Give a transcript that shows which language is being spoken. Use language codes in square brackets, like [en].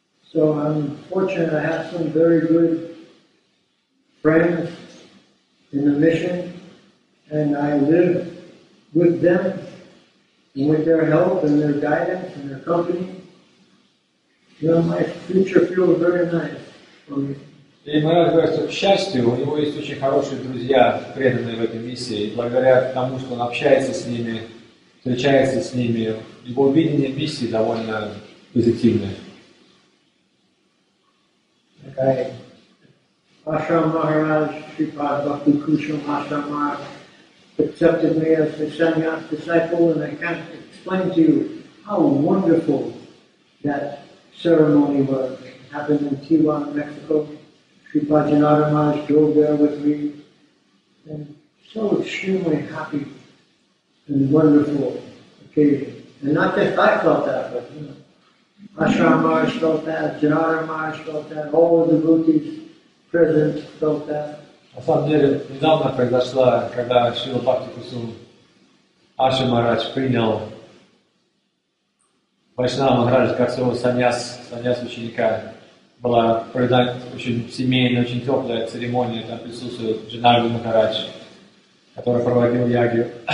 [en] So I'm fortunate I have some very good friends in the mission, and I live with them and with their help and their guidance and their company. You know, my future feels very nice for me. [ru] И Махарадж говорит, что, к счастью, у него есть очень хорошие друзья, преданные в этой миссии, и благодаря тому, что он общается с ними, встречается с ними, его видение миссии довольно позитивное. [en] Hare Ashram Maharaj, Shripad Bhakti Kusham Ashram Maharaj, accepted me as a sannyas disciple, and I can't explain to you how wonderful that ceremony was. It happened in Tijuana, Mexico. Sri Bhajanada Maharaj drove there with me, and so extremely happy and wonderful occasion. And not just I felt that, but you know, Ashram Maharaj felt that, Janada Maharaj felt that, all of the devotees present felt that. [ru] На самом деле, недавно произошло, когда Шрила Бхакти Кусум Аша Махарадж принял Вайшнава Махараджа как своего саньяс ученика. Была проведена очень семейная, очень теплая церемония, там присутствует Джанарда Махарадж, который проводил ягью.